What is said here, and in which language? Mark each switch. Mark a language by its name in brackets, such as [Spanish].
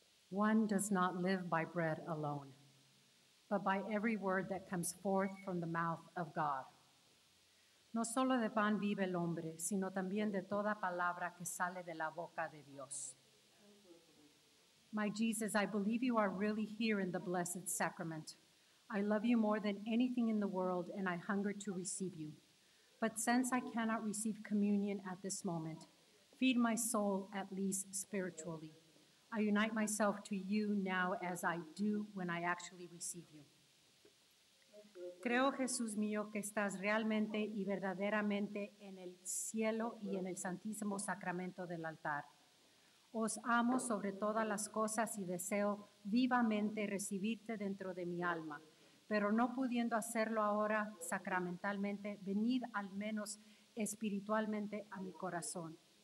[English] One does not live by bread alone, but by every word that comes forth from the mouth of God. [Spanish] No solo de pan vive el hombre, sino también de toda palabra que sale de la boca de Dios. [English] My Jesus, I believe you are really here in the Blessed Sacrament. I love you more than anything in the world, and I hunger to receive you. But since I cannot receive communion at this moment, feed my soul at least spiritually. I unite myself to you now as I do when I actually receive you. [Spanish] Creo, Jesús mío, que estás realmente y verdaderamente en el cielo y en el santísimo sacramento del altar. Os amo sobre todas las cosas y deseo vivamente recibirte dentro de mi alma. Pero no pudiendo hacerlo ahora sacramentalmente, venid al menos espiritualmente a mi corazón.